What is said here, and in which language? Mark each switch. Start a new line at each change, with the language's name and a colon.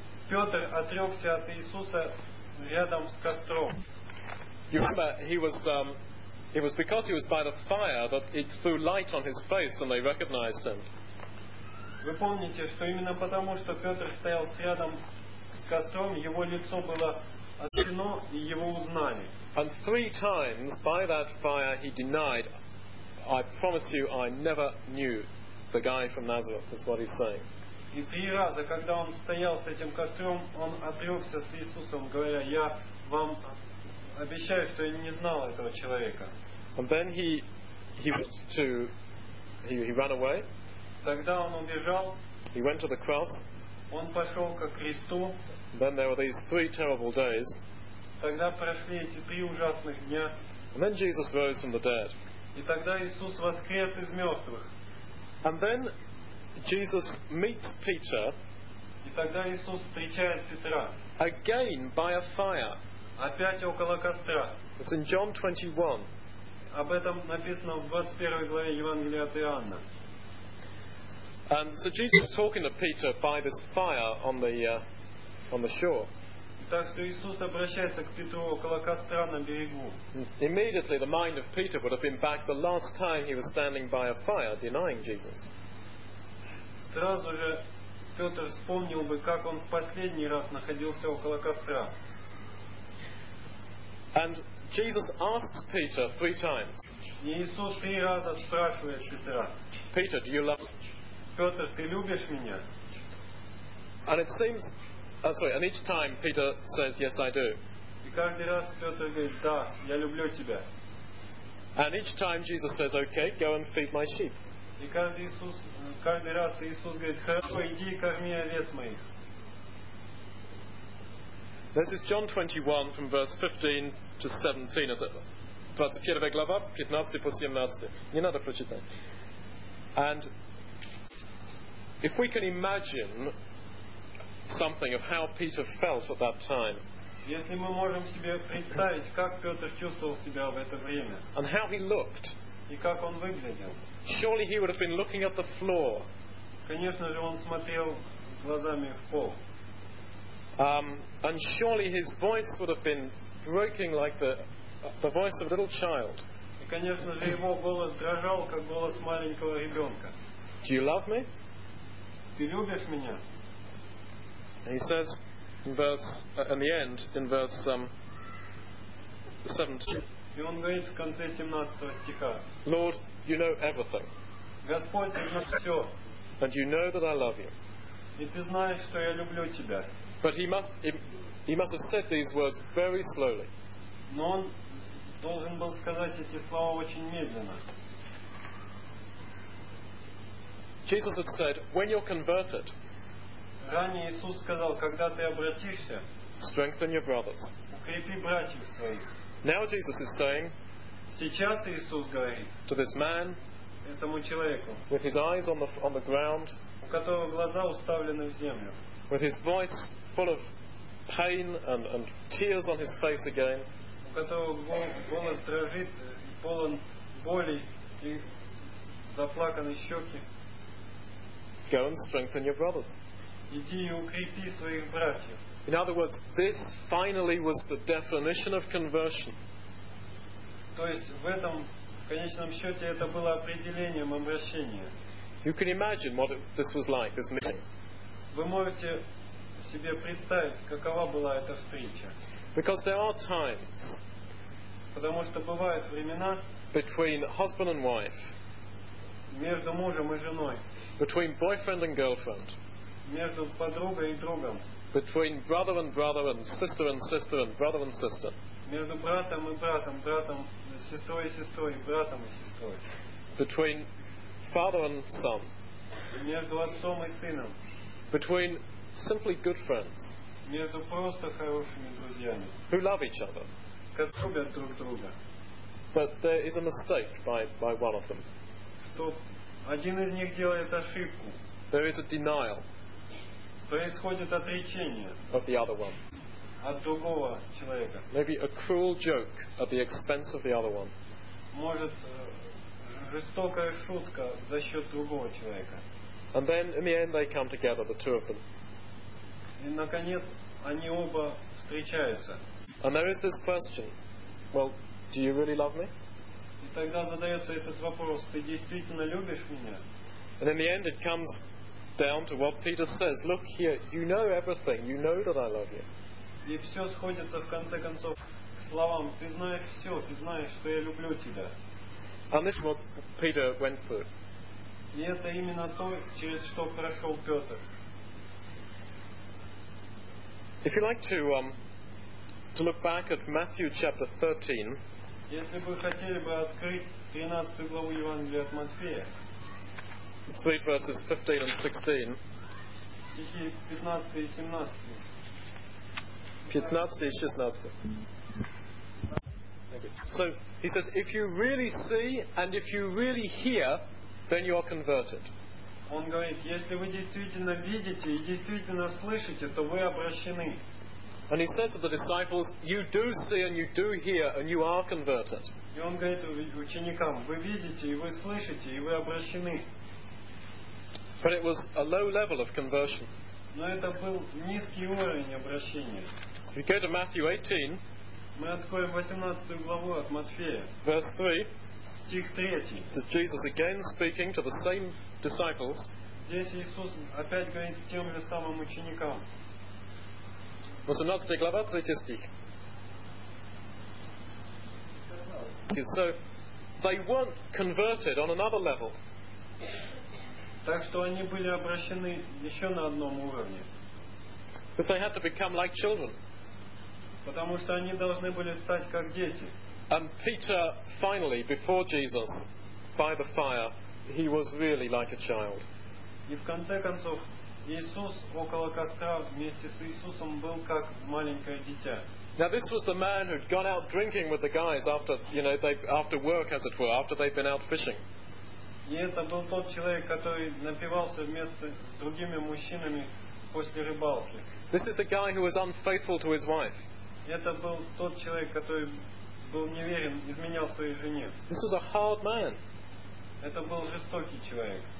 Russian: Петр отрекся от Иисуса рядом с костром.
English: You remember, it was because he was by the fire that it threw light on his face and they recognized him.
Russian: Вы помните, что именно потому, что Петр стоял рядом с костром, его лицо было освещено и его узнали.
English: And three times by that fire he denied, I promise you, I never knew the guy from Nazareth, is what he's saying.
Russian: И три раза, когда он стоял с этим костром, он отрекся с Иисусом, говоря, я вам обещаю, что я не знал этого человека.
English: And then he ran away.
Russian: Тогда он убежал.
English: He went to the cross.
Russian: Он пошел ко кресту.
English: Then there were these three terrible days.
Russian: Тогда прошли эти три ужасных дня.
English: And then Jesus rose from the dead.
Russian: И тогда Иисус воскрес из мертвых.
English: And then Jesus meets Peter.
Russian: И тогда Иисус встречает Петра.
English: Again by a fire.
Russian: Опять около костра.
English: It's in John 21.
Russian: Об этом написано в 21 главе Евангелия от Иоанна.
English: And so Jesus is talking to Peter by this fire on the shore.
Russian: Так что Иисус обращается к Петру около костра на берегу.
English: Immediately the mind of Peter would have been back the last time he was standing by a fire denying Jesus.
Russian: Сразу же Петр вспомнил бы, как он в последний раз находился около костра.
English: And Jesus asks Peter three times.
Russian: И Иисус три раза спрашивает Петра.
English: Peter, do you love me?
Russian: Петр, ты любишь меня?
English: And it seems, and each time Peter says, yes, I do.
Russian: И каждый раз Петр говорит, да, я люблю тебя.
English: And each time Jesus says, okay, go and feed my sheep.
Russian: И каждый раз Иисус говорит, хорошо, иди и корми овец моих.
English: This is John 21 from verse 15 to 17.
Russian: 21 глава, 15 по 17. Не надо прочитать.
English: And if we can imagine something of how Peter felt at that time.
Russian: Если мы можем себе представить, как Петр чувствовал себя в это время.
English: And how he looked.
Russian: И как он выглядел.
English: Surely he would have been looking at the floor.
Russian: Конечно же, он смотрел глазами в пол.
English: And surely his voice would have been breaking like the voice of a little child.
Russian: И конечно же его голос дрожал, как голос маленького ребенка.
English: Do you love me?
Russian: Ты любишь меня?
English: He says in verse in the end in verse 17.
Russian: И он говорит в конце 17 стиха.
English: Lord, you know everything.
Russian: Господь, ты знаешь все.
English: And you know that I love you.
Russian: И ты знаешь, что я люблю тебя.
English: But he must have said these words very slowly.
Russian: Но он должен был сказать эти слова очень медленно.
English: Jesus had said, "When you're converted."
Russian: Ранее Иисус сказал, когда ты обратишься.
English: Strengthen your brothers.
Russian: Укрепи братьев своих.
English: Now Jesus is saying.
Russian: Сейчас Иисус говорит.
English: To this man.
Russian: Этому человеку.
English: With his eyes on the ground.
Russian: У которого глаза уставлены в землю.
English: With his voice full of pain and tears on his face again.
Russian: У которого голос дрожит и полон боли и заплаканные щеки.
English: Go and strengthen your brothers.
Russian: Иди и укрепи своих братьев.
English: In other words, this finally was the definition of conversion.
Russian: То есть в этом конечном счете это было определением обращения.
English: You can imagine what this was like, this meeting.
Russian: Вы можете себе представить, какова была эта встреча.
English: Because there are times.
Russian: Потому что бывают времена.
English: Between husband and wife.
Russian: Между мужем и женой.
English: Between boyfriend and girlfriend.
Russian: Между подругой и другом.
English: Between brother and brother and sister and sister and brother and sister.
Russian: Между братом и братом, братом, сестрой и сестрой, братом и сестрой.
English: Between father and son.
Russian: Между отцом и сыном.
English: Between simply good friends.
Russian: Между просто хорошими друзьями.
English: Who love each other.
Russian: Которые любят друг друга.
English: But there is a mistake by one of them.
Russian: Что один из них делает ошибку.
English: There is a denial.
Russian: Происходит отречение.
English: Of the other one.
Russian: От другого человека.
English: Maybe a cruel joke at the expense of the other one.
Russian: Может жестокая шутка за счет другого человека.
English: And then in the end they come together, the two of them.
Russian: И наконец они оба встречаются.
English: And there is this question. Well, do you really love me?
Russian: И тогда задается этот вопрос: ты действительно любишь меня?
English: And in the end it comes down to what Peter says. Look here, you know everything. You know that I love you.
Russian: И все сходится в конце концов к словам: ты знаешь все, ты знаешь, что я люблю тебя.
English: And this is what Peter went through.
Russian: И это именно то, через что прошел Петр.
English: If you like to look back at Matthew chapter 13.
Russian: Если бы хотели бы открыть 13 главу Евангелия от Матфея.
English: Let's read verses 15 and 16.
Russian: Стихи 15 и 17. 15 и 16.
English: So he says, if you really see and if you really hear, then you are converted.
Russian: Он говорит, если вы действительно видите и действительно слышите, то вы обращены.
English: And he said to the disciples, you do see and you do hear and you are converted.
Russian: И он говорит ученикам, вы видите и вы слышите и вы обращены.
English: But it was a low level of conversion.
Russian: Но это был низкий уровень обращения.
English: We go to Matthew 18.
Russian: Мы откроем 18 главу от Матфея.
English: Verse 3.
Russian: Стих 3.
English: This is Jesus again speaking to the same disciples.
Russian: Здесь Иисус опять говорит тем же самым ученикам. 18 глава, 3 стих.
English: Okay, so they weren't converted on another level.
Russian: Так что они были обращены еще на одном уровне.
English: Because they had to become like children.
Russian: Потому что они должны были стать как дети.
English: And Peter finally, before Jesus, by the fire, he was really like a child.
Russian: И в конце концов, Иисус около костра вместе с Иисусом был как маленькое дитя.
English: Now this was the man who'd gone out drinking with the guys after, you know, they after work, as it were, after they'd been out fishing.
Russian: И это был тот человек, который напивался вместе с другими мужчинами после рыбалки.
English: This is the guy who was unfaithful to his wife.
Russian: Это был тот человек, который был неверен, изменял своей жене.
English: This was a hard man.
Russian: Это был жестокий человек.